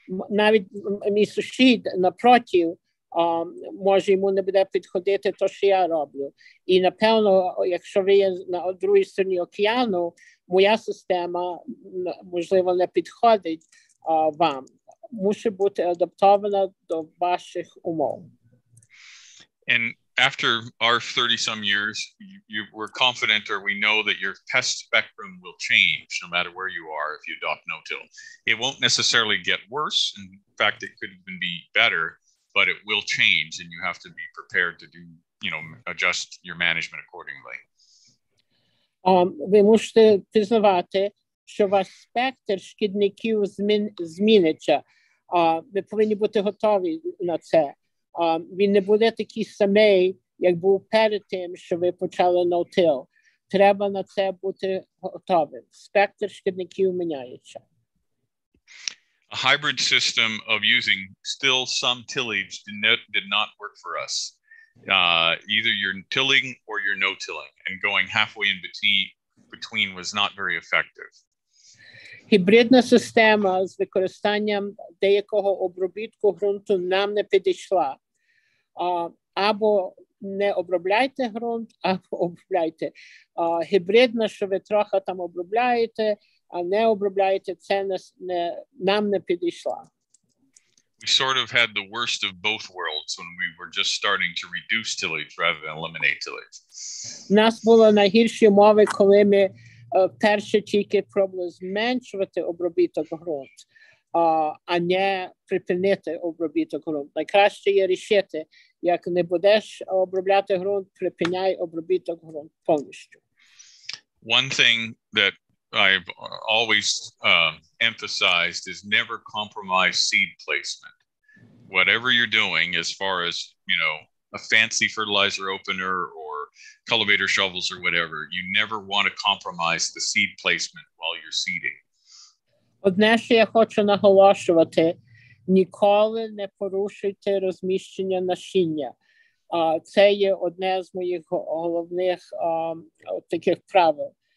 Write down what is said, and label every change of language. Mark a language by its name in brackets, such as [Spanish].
[Ukrainian] Навіть мій сусід, напроти, може йому не буде підходити то, що я роблю. І, напевно, якщо ви є на другій стороні океану, моя система, можливо, не підходить вам. Може бути адаптована до ваших умов. [English] And after our 30-some years, you were confident or we know that your pest spectrum will change no matter where you are if you adopt no-till. It won't necessarily get worse. In fact, it could even be better, but it will change and you have to be prepared to do, you know, adjust your management accordingly. [Ukrainian] Ви можете пізнавати, що ваш спектр шкідників зміниться. Ви повинні бути готові на це. Він не буде такий самий, як був перед тим, що ви почали no-till. Треба на це бути готовим. Спектр шкідників міняється. [English] A hybrid system of using still some tillage did not work for us. Either you're tilling or you're no-tilling, and going halfway in between was not very effective. [Ukrainian] Гібридна система з використанням деякого обробітку ґрунту нам не підійшла. Або не обробляйте ґрунт, або обробляйте. Гібридна, що ви трохи там обробляєте, а не обробляєте, це нам не підійшла. [English] We sort of had the worst of both worlds when we were just starting to reduce tillage rather than eliminate tillage. [Ukrainian] У нас було найгірші умови, коли ми перше тільки пробували зменшувати обробіток ґрунт, а не припинити обробіток ґрунт. Найкраще є рішити, як не будеш обробляти ґрунт, припиняй обробіток ґрунт повністю. [English] One thing that I've always emphasized is never compromise seed placement. Whatever you're doing, as far as, you know, a fancy fertilizer opener or cultivator shovels or whatever, you never want to compromise the seed placement while you're seeding. [Ukrainian] Одне, що я хочу наголошувати, ніколи не порушуйте розміщення насіння. Це є одне з моїх головних таких правил.